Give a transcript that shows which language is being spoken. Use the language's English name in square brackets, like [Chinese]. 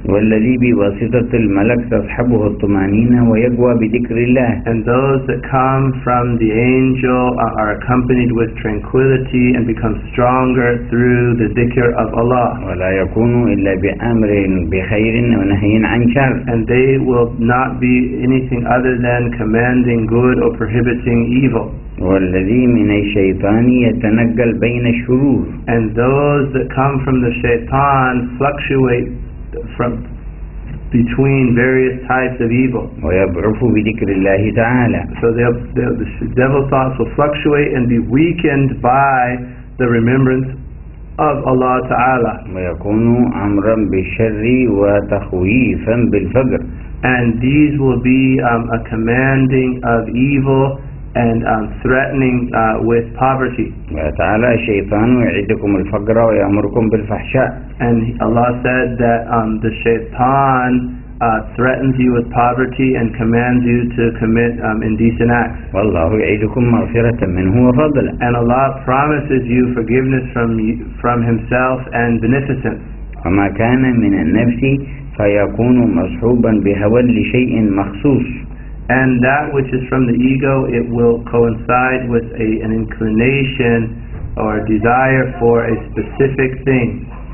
[Arabic] والذي بواسطة الملك تصحبه الطمأنينة ويقوى بذكر الله. [English] And those that come from the angel are accompanied with tranquility and become stronger through the dhikr of Allah. [Arabic] ولا يكون إلا بأمر بخير ونهي عن شر. [English] And they will not be anything other than commanding good or prohibiting evil. [Arabic] والذي من الشيطان يتنقل بين الشرور. [English] And those that come from the shaitan fluctuate from between various types of evil. [Arabic] ويبعث بذكر الله تعالى. [English] So the devil thoughts will fluctuate and be weakened by the remembrance of Allah Ta'ala. [Arabic] ويكون أمرا بالشر وتخويفا بالفقر. [English] And these will be a commanding of evil and threatening with poverty. [Arabic] وتعالى الشيطان يعدكم الفقر ويأمركم بالفحشاء. [English] And Allah said that the shaitan threatens you with poverty and commands you to commit indecent acts. [Arabic] والله يعدكم مغفرة منه وفضلا. [English] And Allah promises you forgiveness from Himself and beneficence. [Arabic] وما كان من النفس فيكون مصحوبا بهوى لشيء مخصوص. [English] And that which is from the ego, it will coincide with an inclination or desire for a specific thing.